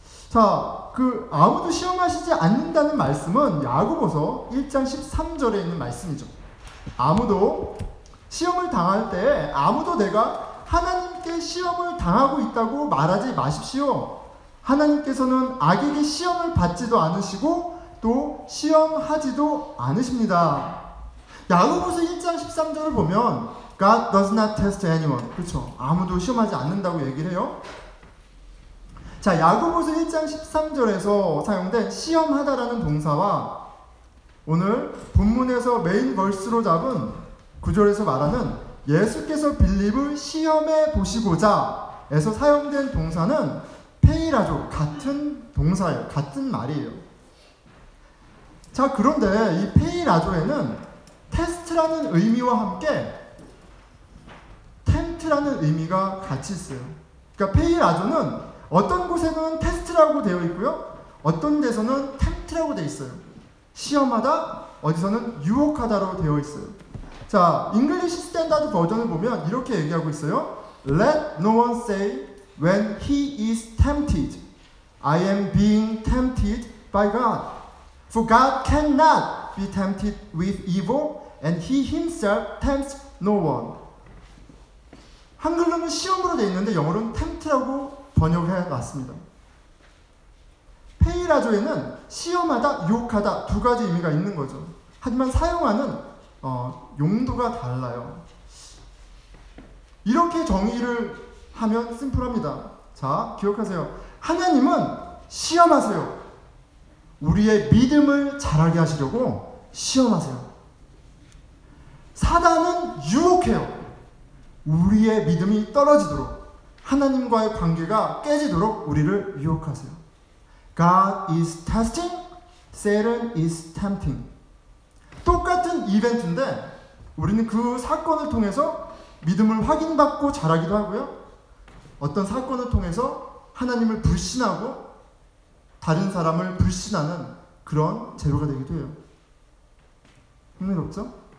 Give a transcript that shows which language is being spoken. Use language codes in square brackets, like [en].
[ko] 자, 그 아무도 시험하시지 않는다는 말씀은 야고보서 1장 13절에 있는 말씀이죠. 아무도 시험을 당할 때 아무도 내가 하나님께 시험을 당하고 있다고 말하지 마십시오. 하나님께서는 악인이 시험을 받지도 않으시고 또 시험하지도 않으십니다. 야고보서 1장 13절을 보면 [en] God does not test anyone. [ko] 그렇죠. 아무도 시험하지 않는다고 얘기를 해요. 자, 야고보서 1장 13절에서 사용된 시험하다라는 동사와 오늘 본문에서 메인 벌스로 잡은 구절에서 말하는 예수께서 빌립을 시험해 보시고자 에서 사용된 동사는 페이라조, 같은 동사예요. 같은 말이에요. 자, 그런데 이 페이라조에는 테스트라는 의미와 함께 템트라는 의미가 같이 있어요. 그러니까 페이라조는 어떤 곳에는 테스트라고 되어 있고요. 어떤 데서는 템트라고 되어 있어요. 시험하다, 어디서는 유혹하다로 되어 있어요. 자, English Standard 버전을 보면 이렇게 얘기하고 있어요. [en] Let no one say when he is tempted, I am being tempted by God. For God cannot be tempted with evil, and he himself tempts no one. [ko] 한글로는 시험으로 되어 있는데 영어로는 tempt라고 번역해 놨습니다. 페이라조에는 시험하다, 유혹하다 두 가지 의미가 있는 거죠. 하지만 사용하는 용도가 달라요. 이렇게 정의를 하면 심플합니다. 자, 기억하세요. 하나님은 시험하세요. 우리의 믿음을 자라게 하시려고 시험하세요. 사단은 유혹해요. 우리의 믿음이 떨어지도록, 하나님과의 관계가 깨지도록 우리를 유혹하세요. [en] God is testing, Satan is tempting. [ko] 똑같은 이벤트인데 우리는 그 사건을 통해서 믿음을 확인받고 자라기도 하고요. 어떤 사건을 통해서 하나님을 불신하고 다른 사람을 불신하는 그런 재료가 되기도 해요. 흥미롭죠?